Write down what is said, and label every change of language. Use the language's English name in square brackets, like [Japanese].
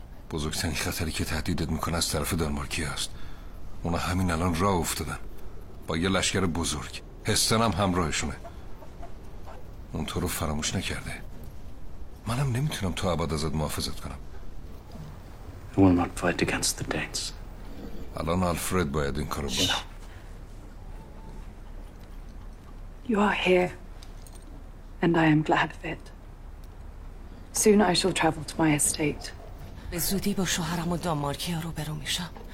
[Persian] بزرگترین خطری که تهدیدت میکنه از طرف دانمارکی هست. اونا همین الان راه افتادن با یه لشکر بزرگ. هستن هم همراهشونه. اون تو رو فراموش نکرده. منم نمیتونم تو ابد ازت محافظت کنم. [English] I will not fight against the Danes. [Persian] الان آلفرد باید این کارو باشه. [English] You are here and I am glad of it. Soon I shall travel to my estate. [Persian] به زودی با شوهرم و دانمارکی ها رو برو میشم.